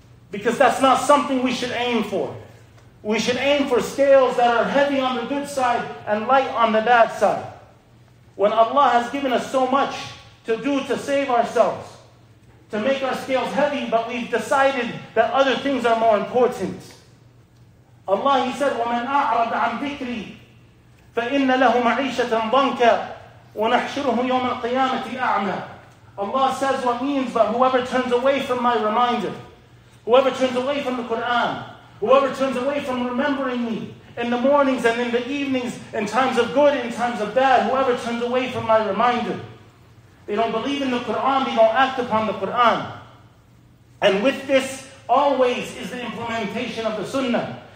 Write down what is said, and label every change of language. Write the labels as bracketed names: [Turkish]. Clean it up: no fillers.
[English] Because that's not something we should aim for. We should aim for scales that are heavy on the good side and light on the bad side. When Allah has given us so much to do to save ourselves, to make our scales heavy, but we've decided that other things are more important. Allah, He said, [Arabic] وَمَنْ أَعْرَضَ عَنْ ذِكْرِي فَإِنَّ لَهُ مَعِيشَةً ضَنْكَ وَنَحْشُرُهُ يَوْمَ الْقِيَامَةِ أَعْمَى. [English] Allah says what means, but whoever turns away from my reminder, whoever turns away from the Quran, whoever turns away from remembering me in the mornings and in the evenings, in times of good, in times of bad, whoever turns away from my reminder. They don't believe in the Quran, they don't act upon the Quran. And with this, always is the implementation of the Sunnah.